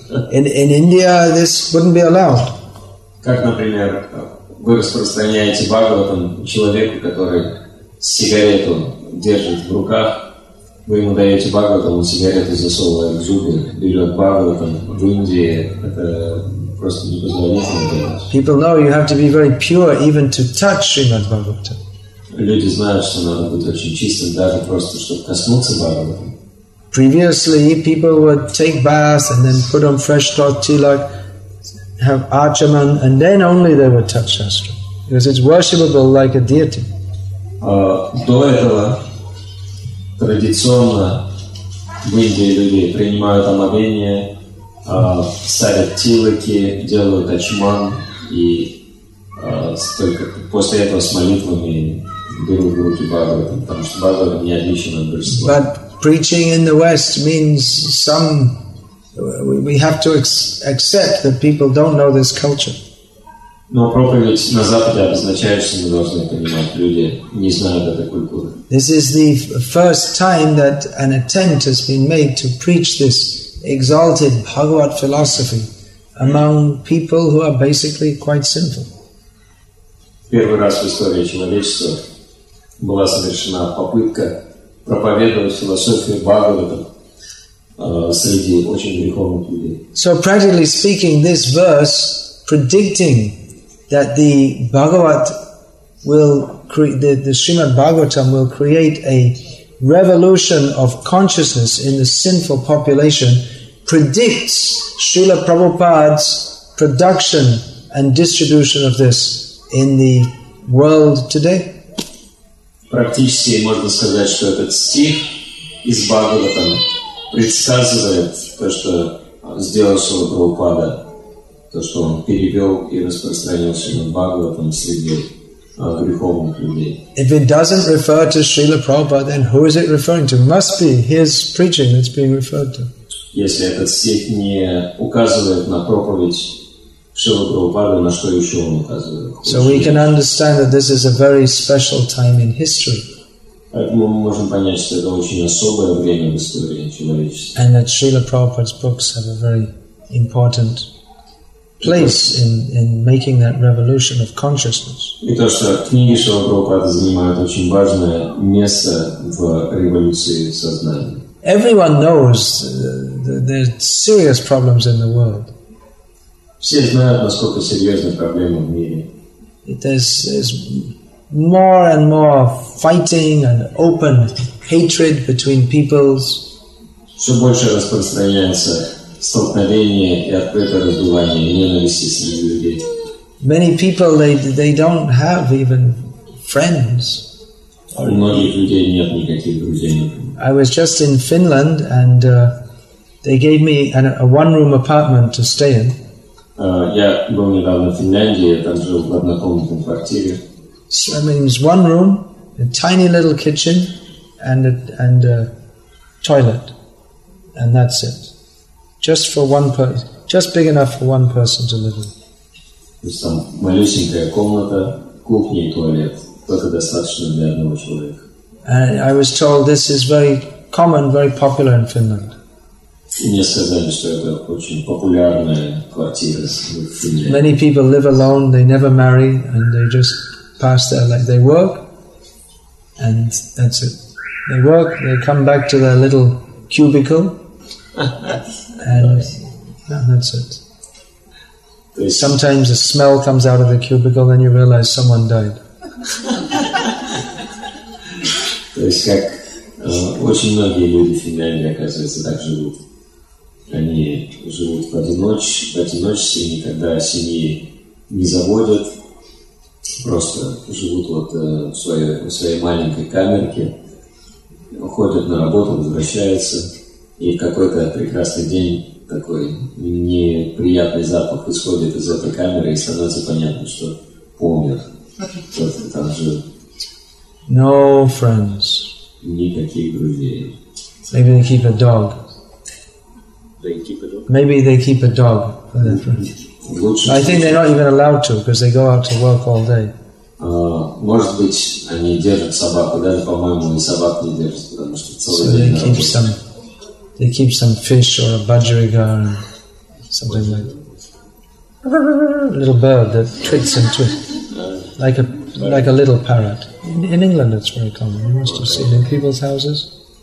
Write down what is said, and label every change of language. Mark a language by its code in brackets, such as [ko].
[en] In India this wouldn't be allowed. [ru] Как, например, вы распространяете Бхагаватам человеку, который сигарету держит в руках, вы ему даете Бхагаватам, он сигареты засовывает в зубы, берет Бхагаватам. В Индии это просто непозволительно делать. [en] People know you have to be very pure even to touch Srimad Bhagavatam. [ru] Люди знают, что надо быть очень чистым, даже просто, чтобы коснуться Бхагаватам. [en] Previously, people would take baths and then put on fresh cloth tilak, have archaman, and then only they would touch Shastra. Because it's worshipable like a deity. [ru] До этого традиционно в Индии люди принимают омовение, ставят тилаки, делают ачман, и только после этого с молитвами берут в руки Бхагаватам, потому что Бхагаватам не отличен от большинства. [en] But preaching in the West means some... We have to accept that people don't know this culture. [ru] Но проповедь на Западе обозначает, что мы должны понимать, люди не знают этой культуры. [en] This is the first time that an attempt has been made to preach this exalted Bhagavad philosophy among people who are basically quite sinful. [ru] Первый раз в истории человечества была совершена попытка проповедовать философию Бхагавата среди очень греховных людей. [en] So practically speaking, this verse predicting that the Bhagavat will create, the Srimad Bhagavatam will create a revolution of consciousness in the sinful population, predicts Srila Prabhupada's production and distribution of this in the world today. [ru] Практически можно сказать, что этот стих из Бхагаватам предсказывает то, что сделал Шрила Прабхупада, то, что он перевел и распространил Шримад Бхагаватам среди греховных людей. [en] If it doesn't refer to Srila Prabhupada, then who is it referring to? Must be his preaching that's being referred to. [ru] Если этот стих не указывает на проповедь Шрила Прабхупада, на что еще он указывает? [en] So we can understand that this is a very special time in history. [ru] Поэтому мы можем понять, что это очень особое время в истории человечества. [en] And that Srila Prabhupada's books have a very important place in making that revolution of consciousness. [ru] И то, что книги Шрилы Прабхупады занимают очень важное место в революции сознания. [en] Everyone knows there are serious problems in the world. [ru] Все знают, насколько серьезны проблемы в мире. [en] There's more and more fighting and open hatred between peoples. [ru] Все больше распространяется столкновение и открытое раздувание ненависти среди людей. [en] Many people they don't have even friends. [ru] У многих людей нет никаких друзей. [en] I was just in Finland and they gave me a one-room apartment to stay in. [ru] Я был недавно в Финляндии, я там жил в однокомнатной квартире. [en] So, I mean, it's one room, a tiny little kitchen, and a toilet, and that's it. Just for one person, just big enough for one person to live in. It's a [ru] малюсенькая комната, кухня и туалет, только достаточно для одного человека. [en] And I was told this is very common, very popular in Finland. [ru] И мне сказали, что это очень популярная квартира в Финляндии. [en] Many people live alone, they never marry, and they just pass their life. They work, and that's it. They work, they come back to their little cubicle, and that's it. Sometimes a smell comes out of the cubicle, then you realize someone died. [ru] То есть, как очень многие люди в Финляндии, оказывается, так живут. Они живут в одиночестве, никогда семьи не заводят. Просто живут вот в своей маленькой камерке, уходят на работу, возвращаются, и какой-то прекрасный день, такой неприятный запах исходит из этой камеры, и становится понятно, что помнят, кто-то там жил. [en] No friends. [ru] Никаких друзей. [en] Maybe they keep a dog. They keep a dog? Maybe they keep a dog for their friends. I think they're not even allowed to because they go out to work all day. [ru] Может быть, они держат собаку, даже, по-моему, и собак не держат, потому что целый день. [en] So they keep some, fish or a budgerigar or something like that. A little bird that twits and twits, like a little parrot. In England, it's very common. You must have seen in people's houses.